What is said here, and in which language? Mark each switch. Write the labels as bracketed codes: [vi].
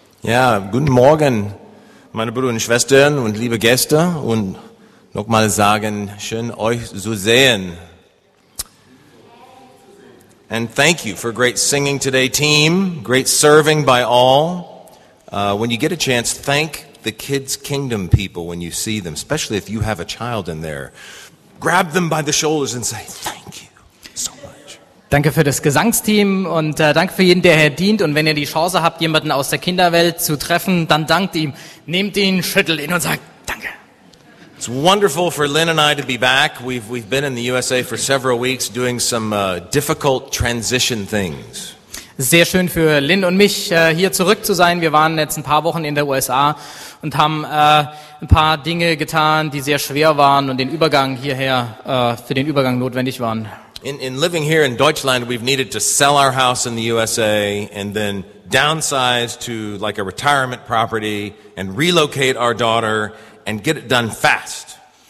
[de] Ja, guten Morgen, meine Brüder und Schwestern und liebe Gäste, und nochmal sagen, schön euch zu sehen. [en] And thank you for great singing today, team. Great serving by all. When you get a chance, thank the Kids Kingdom people when you see them, especially if you have a child in there. Grab them by the shoulders and say thank you. [de] Danke für das Gesangsteam und danke für jeden, der hier dient. Und wenn ihr die Chance habt, jemanden aus der Kinderwelt zu treffen, dann dankt ihm. Nehmt ihn, schüttelt ihn und sagt Danke. [en] It's wonderful for Lynn and I to be back. We've been in the USA for several weeks doing some difficult transition things. [de] Sehr schön für Lynn und mich, hier zurück zu sein. Wir waren jetzt ein paar Wochen in der USA und haben ein paar Dinge getan, die sehr schwer waren und den Übergang hierher, für den Übergang notwendig waren. [en] In living here in Deutschland, we've needed to sell our house in the USA and then downsize to like a retirement property and relocate our daughter and get it done fast.